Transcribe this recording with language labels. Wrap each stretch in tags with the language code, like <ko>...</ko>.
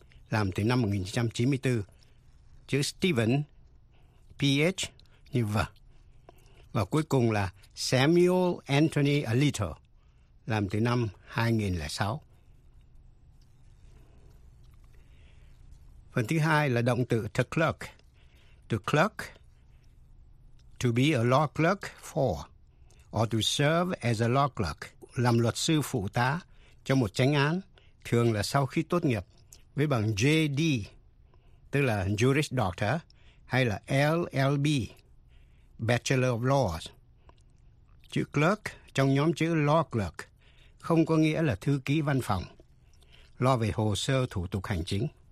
<vi>Làm từ năm 1994. Chữ Stephen, P-H, như V. Và cuối cùng là Samuel Anthony Alito. Làm từ năm 2006. Phần thứ hai là động từ to clerk.</vi> <en>To clerk, to be a law clerk for, or to serve as a law clerk.</en> <vi>Làm luật sư phụ tá cho một chánh án, thường là sau khi tốt nghiệp với bằng JD, tức là Juris Doctor, hay là LLB, Bachelor of Laws. Chữ clerk trong nhóm chữ law clerk không có nghĩa là thư ký văn phòng, lo về hồ sơ thủ tục hành chính.</vi>